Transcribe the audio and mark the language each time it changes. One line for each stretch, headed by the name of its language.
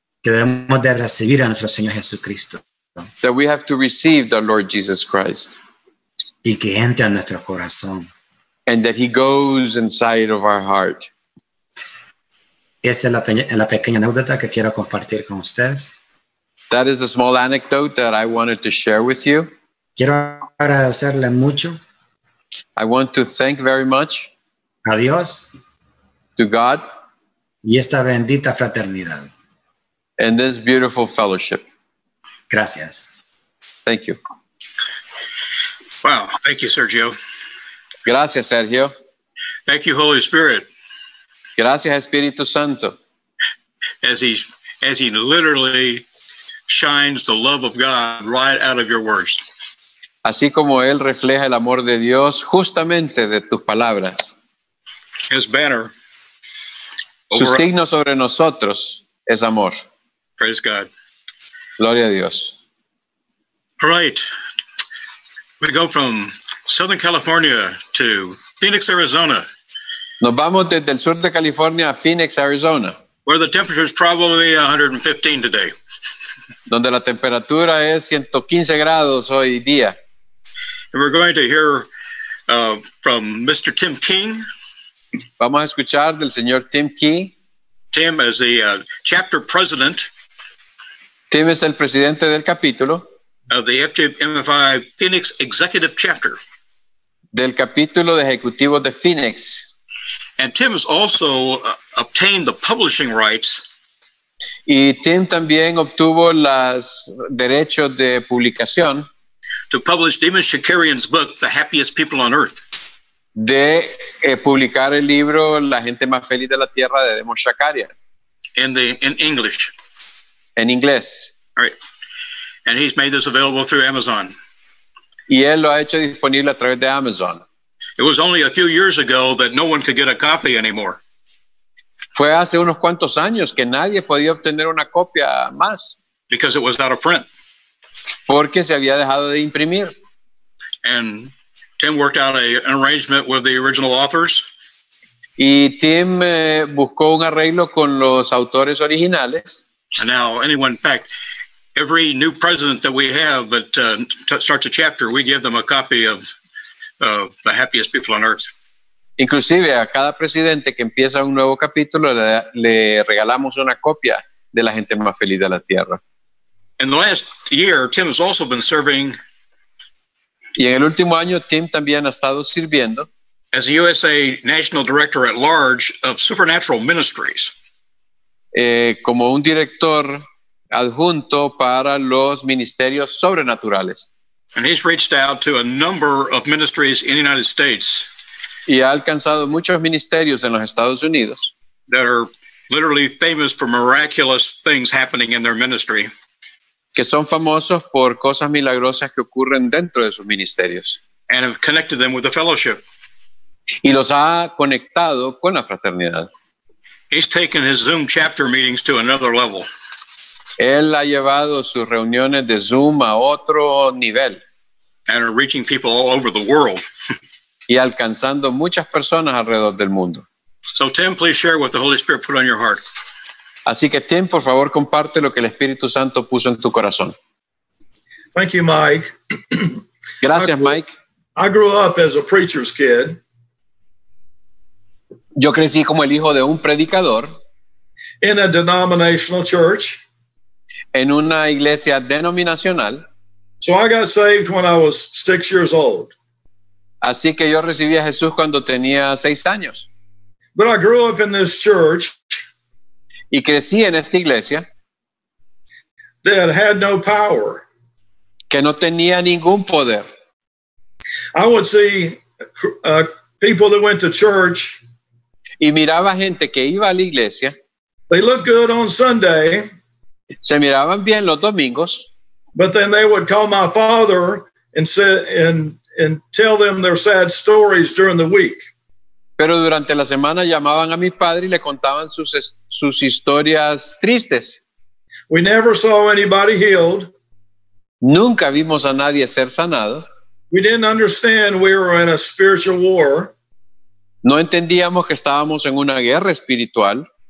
Spanish: Que debemos de recibir a nuestro Señor Jesucristo.
English: That we have to receive the Lord Jesus Christ.
Spanish: Y que entre a nuestro corazón.
English: And that he goes inside of our heart.
Spanish: Esa es la pequeña anécdota que quiero compartir con ustedes.
English: That is a small anecdote that I wanted to share with you.
Spanish: Quiero agradecerle mucho.
English: I want to thank very much.
Spanish: A Dios.
English: To God.
Spanish: Y esta bendita fraternidad.
English: And this beautiful fellowship.
Spanish: Gracias.
English: Thank you. Wow, thank you, Sergio.
Spanish: Gracias, Sergio.
English: Thank you, Holy Spirit.
Spanish: Gracias, Espíritu Santo.
English: As he literally shines the love of God right out of your words.
Spanish: Así como él refleja el amor de Dios justamente de tus palabras.
English: His banner.
Spanish: Su signo sobre nosotros es amor.
English: Praise God.
Spanish: Gloria a Dios.
English: Right. We go from Southern California to Phoenix, Arizona.
Spanish: Nos vamos desde el sur de California a Phoenix, Arizona.
English: Where the temperature is probably 115 today.
Spanish: Donde la temperatura es 115 grados hoy día.
English: And we're going to hear from Mr. Tim King.
Spanish: Vamos a escuchar del señor Tim King.
English: Tim is the chapter president.
Spanish: Tim es el presidente del capítulo.
English: Of the FGMFI Phoenix Executive Chapter.
Spanish: Del capítulo de ejecutivos de Phoenix.
English: And Tim has also obtained the publishing rights.
Spanish: Y Tim también obtuvo los derechos de publicación.
English: To publish Demon Shakarian's book, The Happiest People on Earth.
Spanish: De publicar el libro La Gente Más Feliz de la Tierra de Demon Shakarian.
English: In English.
Spanish: En inglés.
English: All right. And he's made this available through Amazon.
Spanish: y él lo ha hecho disponible a través de Amazon.
English: It was only a few years ago that no one could get a copy anymore.
Spanish: Fue hace unos cuantos años que nadie podía obtener una copia más.
English: Because it was out of print.
Spanish: Porque se había dejado de imprimir.
English: And Tim worked out an arrangement with the original authors.
Spanish: Y Tim buscó un arreglo con los autores originales.
English: And now anyone, in fact, every new president that we have that starts a chapter, we give them a copy of The Happiest People on Earth.
Spanish: Inclusive a cada presidente que empieza un nuevo capítulo le regalamos una copia de La Gente Más Feliz de la Tierra.
English: In the last year, Tim has also been serving.
Spanish: Y en el último año, Tim también ha estado sirviendo
English: as a USA National Director at Large of Supernatural Ministries.
Spanish: Como un director adjunto para los ministerios sobrenaturales.
English: And he's reached out to a number of ministries in the United States.
Spanish: Y ha alcanzado muchos ministerios en los Estados Unidos
English: that are literally famous for miraculous things happening in their ministry.
Spanish: Que son famosos por cosas milagrosas que ocurren dentro de sus ministerios.
English: And have connected them with the fellowship.
Spanish: Y los ha conectado con la fraternidad.
English: He's taken his Zoom chapter meetings to another level.
Spanish: Él ha llevado sus reuniones de Zoom a otro nivel.
English: And are reaching people all over the world.
Spanish: Y alcanzando muchas personas alrededor del mundo.
English: So Tim, please share what the Holy Spirit put on your heart.
Spanish: Así que Tim, por favor, comparte lo que el Espíritu Santo puso en tu corazón.
English: Thank you, Mike.
Spanish: Gracias, Mike.
English: I grew up as a preacher's kid.
Spanish: Yo crecí como el hijo de un predicador.
English: In a denominational church.
Spanish: En una iglesia denominacional.
English: So I got saved when I was 6 years old.
Spanish: Así que yo recibí a Jesús cuando tenía 6 años.
English: But I grew up in this church.
Spanish: Y crecí en esta iglesia.
English: That had no power.
Spanish: Que no tenía ningún poder.
English: I would see people that went to church.
Spanish: Y miraba gente que iba a la iglesia.
English: They looked good on Sunday.
Spanish: Se miraban bien los domingos.
English: But then they would call my father and say, and tell them their sad stories during the week.
Spanish: Pero durante la semana llamaban a mi padre y le contaban sus historias tristes.
English: We never saw anybody healed.
Spanish: Nunca vimos a nadie ser sanado.
English: We didn't understand we were in a spiritual war.
Spanish: No entendíamos que estábamos en una guerra espiritual.